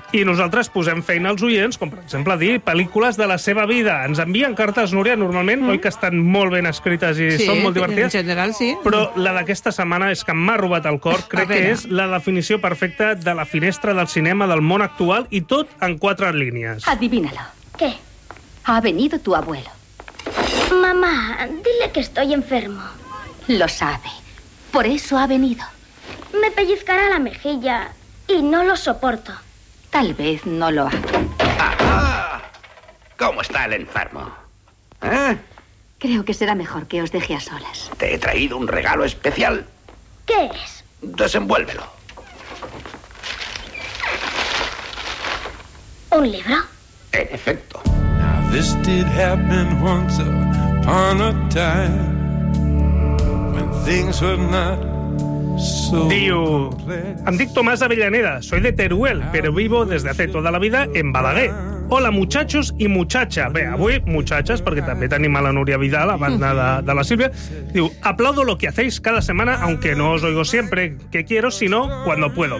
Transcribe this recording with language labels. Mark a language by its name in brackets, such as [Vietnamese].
[Catalan] I nosaltres posem feina als oients, com per exemple dir pel·lícules de la seva vida. Ens envien cartes, Núria, normalment, oi que estan molt ben escrites i sí, són molt divertides? Sí, en general, sí. Però la d'aquesta setmana és que m'ha robat el cor. Crec que és la definició perfecta de la finestra del cinema del món actual i tot en quatre línies. [Spanish] Adivínalo. ¿Qué? Ha venido tu abuelo. Mamá, dile que estoy enfermo. Lo sabe. Por eso ha venido. Me pellizcará la mejilla... Y no lo soporto. Tal vez no lo haga. ¡Ajá! ¿Cómo está el enfermo? ¿Eh? Creo que será mejor que os deje a solas. Te he traído un regalo especial. ¿Qué es? Desenvuélvelo. ¿Un libro? En efecto. [English] Now this did happen once upon a time when things were not... [Catalan] Diu, em dic [Spanish] Tomás Avellaneda, soy de Teruel, pero vivo desde hace toda la vida en Balaguer. Hola, muchachos y muchacha. [Catalan] Bé, avui, muchachas, perquè també tenim a la Núria Vidal, a banda de la Sílvia. [Spanish] Diu, aplaudo lo que hacéis cada semana, aunque no os oigo siempre que quiero, sino cuando puedo.